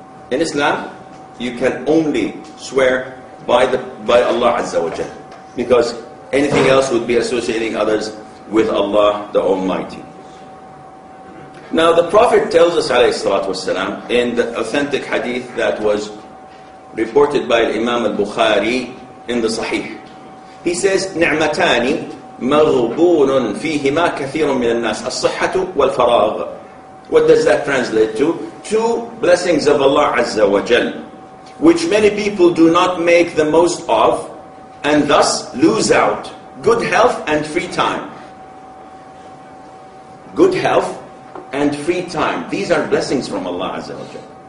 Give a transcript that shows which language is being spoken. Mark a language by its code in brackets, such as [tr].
[en] In Islam, you can only swear by Allah Azza wa Jal, because anything else would be associating others with Allah the Almighty. Now the Prophet tells us, alayhi salatu wasalam, in the authentic hadith that was reported by Imam al-Bukhari in the Sahih. He says, [ar] نِعْمَتَانِ مَغْبُونٌ فِيهِمَا كَثِيرٌ مِنَ النَّاسِ الصِّحَّةُ وَالْفَرَاغُ. [en] What does that translate to? Two blessings of Allah Azza wa Jal, which many people do not make the most of, and thus lose out. Good health and free time. Good health and free time. These are blessings from Allah Azza wa Jal.